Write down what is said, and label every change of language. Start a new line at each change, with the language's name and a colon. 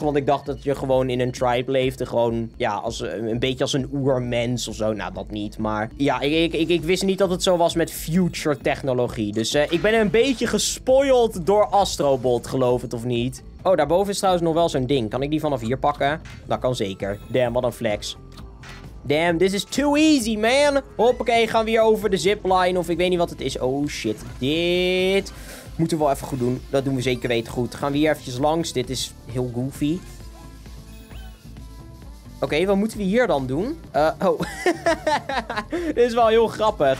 Dutch: Want ik dacht dat je gewoon in een tribe leefde. Gewoon, ja, als een beetje als een oermens of zo. Nou, dat niet. Maar ja, ik wist niet dat het zo was met future technologie. Dus ik ben een beetje gespoild door Astro Bot, geloof het of niet. Oh, daarboven is trouwens nog wel zo'n ding. Kan ik die vanaf hier pakken? Dat kan zeker. Damn, wat een flex.
English: Damn, this is too easy, man.
Dutch: Hoppakee, gaan we hier over de zipline of ik weet niet wat het is. Oh, shit. Dit moeten we wel even goed doen. Dat doen we zeker weten goed. Gaan we hier eventjes langs. Dit is heel goofy. Oké, wat moeten we hier dan doen? Dit is wel heel grappig.